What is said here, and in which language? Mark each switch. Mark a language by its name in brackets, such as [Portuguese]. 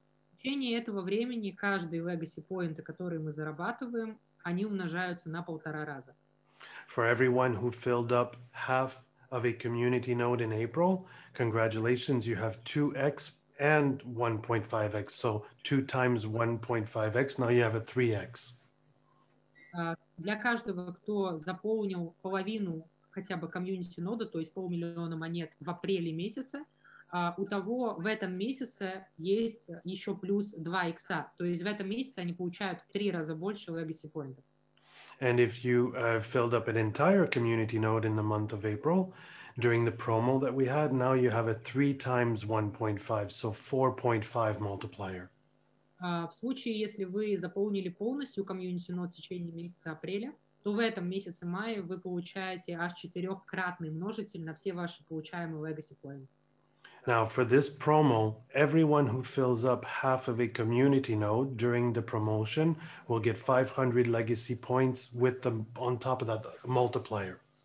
[Russian] В течение этого времени каждый legacy point, который мы зарабатываем, они умножаются на 1.5 раза. [English] For everyone who filled up half of a community node in April, congratulations, you have 2x and 1.5x. So 2 times 1.5x, now you have a 3x. [Russian] Для каждого, кто заполнил половину хотя бы community node, то есть 500 000 монет в апреле месяце, у того в этом месяце есть еще плюс 2x. То есть в этом месяце они получают в 3 раза больше legacy points. [English] And if you filled up an entire community node in the month of April, during the promo that we had, now you have a 3 times 1.5, so 4.5 multiplier. [Russian] В случае, если вы заполнили полностью community node в течение месяца апреля, то в этом месяце мая вы получаете аж 4-кратный множитель на все ваши получаемые legacy points. [English] Now, for this promo, everyone who fills up half of a community node during the promotion will get 500 legacy points with the, on top of that multiplier.